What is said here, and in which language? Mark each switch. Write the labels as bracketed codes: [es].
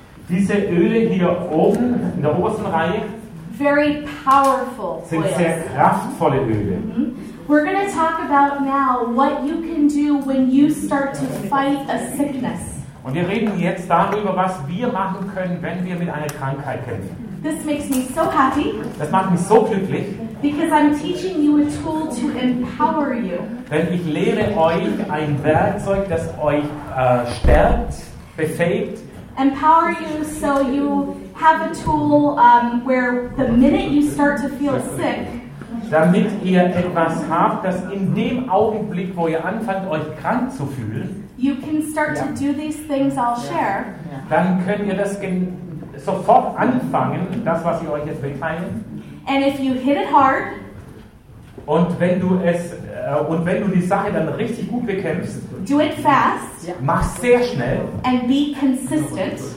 [de] Diese Öle hier oben in der obersten Reihe. [en] Very powerful [de] sind [en] oils. [de] Sehr kraftvolle Öle. Mm-hmm. [en] We're going to talk about now what you can do when you start to fight a sickness. [de] Und wir reden jetzt darüber, was wir machen können, wenn wir mit einer Krankheit kämpfen. [en] This makes me so happy. [de] Das macht mich so glücklich. [en] Because I'm teaching you a tool to empower you. [de] Denn ich lehre euch ein Werkzeug, das euch stärkt, befähigt. [en] Empower you so you have a tool where the minute you start to feel sick. [de] Damit ihr etwas habt, das in dem Augenblick, wo ihr anfangt, euch krank zu fühlen, [en] you can start to do these things I'll share. [de] Dann könnt ihr das sofort anfangen, das, was ich euch jetzt mitteile. [en] And if you hit it hard, [de] und wenn du die Sache dann richtig gut bekämpfst, [en] do it fast, [de] mach sehr schnell, [en] and be consistent,